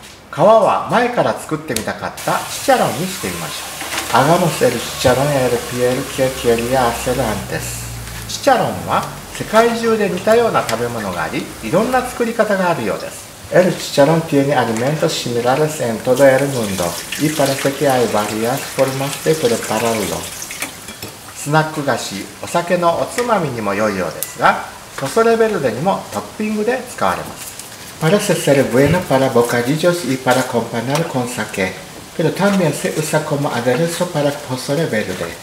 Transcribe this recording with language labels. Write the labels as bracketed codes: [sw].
[ja] 皮は前から作ってみたかったチチャロンにしてみましょう。 [es] hagamos el chicharrón y el piel que quería hacer antes. [ja] Chicharrón は世界中で似たような食べ物があり、いろんな作り方があるようです。 [es] El chicharrón tiene alimentos similares en todo el mundo y parece que hay varias formas de prepararlo. [ja] スナック菓子、お酒のおつまみにも良いようですが、ポソレベルデにもトッピングで使われます。 [es] Parece ser bueno para bocadillos y para acompañar con sake, pero también se usa como aderezo para pozole verde.